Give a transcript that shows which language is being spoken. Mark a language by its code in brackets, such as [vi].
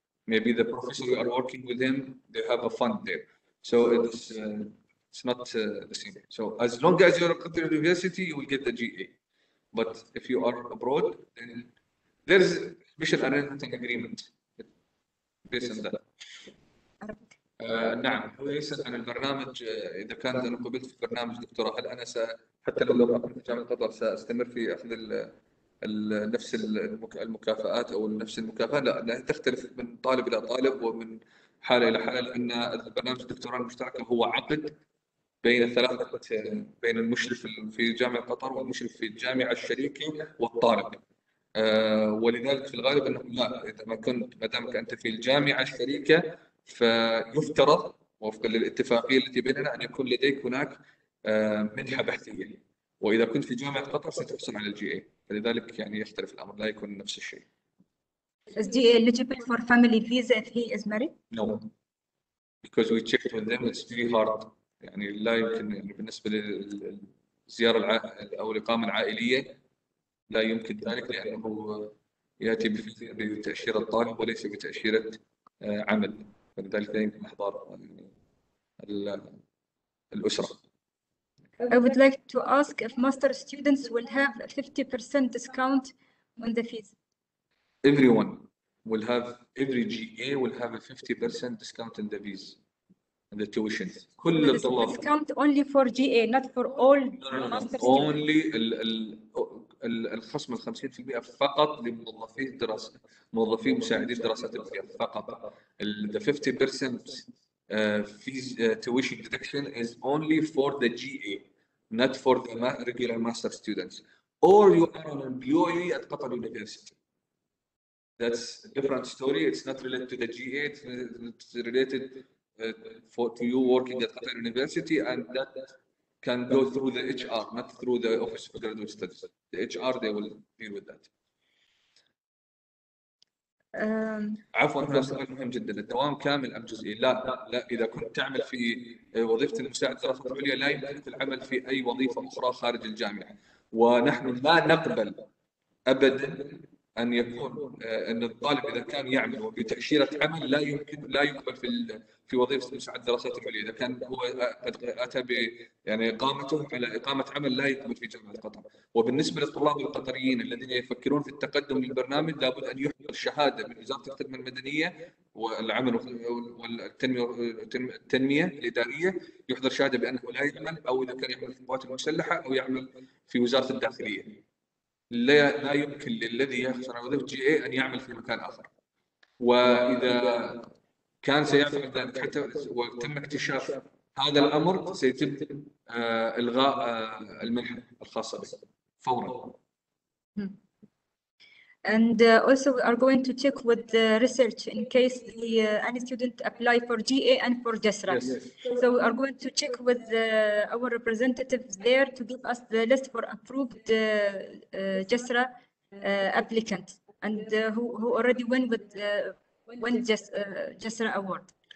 [en] Maybe the professor you are working with him, they have a fund there. So it's not the same. So as long as you're at Qatar University, you will get the GA. But if you are abroad, then there's special arrangement agreement based on that. [ar] نعم، هو يسأل عن البرنامج. إذا كان أنا قبلت في برنامج دكتوراه، هل أنا حتى لو لم أكن في جامعة قطر سأستمر في أخذ نفس المكافآت أو نفس المكافأة؟ لا، تختلف من طالب إلى طالب ومن حالة إلى حالة، لأن البرنامج الدكتوراه المشترك هو عقد بين ثلاثة، بين المشرف في جامعة قطر والمشرف في الجامعة الشريكة والطالب. ولذلك في الغالب أنه لا، إذا ما كنت ما دامك أنت في الجامعة الشريكة فيفترض وفقا للاتفاقية التي بيننا أن يكون لديك هناك منحة بحثية، وإذا كنت في جامعة قطر ستحصل على الجي اي. فلذلك يعني يختلف الأمر، لا يكون نفس الشيء. [en] Is GA eligible for family visa if he is married? No, because we checked with them, it's very hard. [ar] يعني لا يمكن، يعني بالنسبة للزيارة أو الإقامة العائلية لا يمكن ذلك، لأنه يأتي بتأشيرة طالب وليس بتأشيرة عمل. فلذلك يمكن إحضار الأسرة. [en] I would like to ask if master students will have a 50% discount on the fees. Everyone will have, every GA will have a 50% discount in the fees and the tuition. [ar] كل الطلاب. [en] Discount only for GA, not for all master students. Only [ar] الخصم 50% فقط لموظفي الدراسة، موظفي مساعدي الدراسات العليا فقط. [en] The 50% fees tuition deduction is only for the GA, not for the regular master students. Or you are an employee at Qatar University. That's a different story. It's not related to the GA. It's related to you working at Qatar University, and that can go through the HR, not through the Office of Graduate Studies. The HR, they will deal with that. [ar] عفوا، هنا سؤال مهم جدا، الدوام كامل ام جزئي؟ لا لا، اذا كنت تعمل في وظيفه المساعد الدراسات العليا لا يمكنك العمل في اي وظيفه اخرى خارج الجامعه، ونحن لا نقبل ابدا ان يكون ان الطالب اذا كان يعمل بتاشيره عمل لا يمكن، لا يقبل في وظيفه المساعد الدراسات العليا. اذا كان هو قد اتى ب يعني اقامته على اقامه عمل لا يقبل في جامعه قطر. وبالنسبه للطلاب القطريين الذين يفكرون في التقدم للبرنامج، لابد ان يحضر شهاده من وزاره التنميه المدنيه والعمل والتنميه الاداريه، يحضر شهاده بانه لا يعمل، او اذا كان يعمل في القوات المسلحه او يعمل في وزاره الداخليه. لا يمكن للذي يحصل على وظيفه جي اي ان يعمل في مكان اخر. واذا كان سيعمل ذلك حتى وتم اكتشاف هذا الامر، سيتم الغاء المنحه الخاصه به فورا. [en] And also we are going to check with the research in case the any student apply for GA and for DESRA. Yes. So we are going to check with our representatives there to give us the list for approved DESRA applicant and who already won with won DESRA award.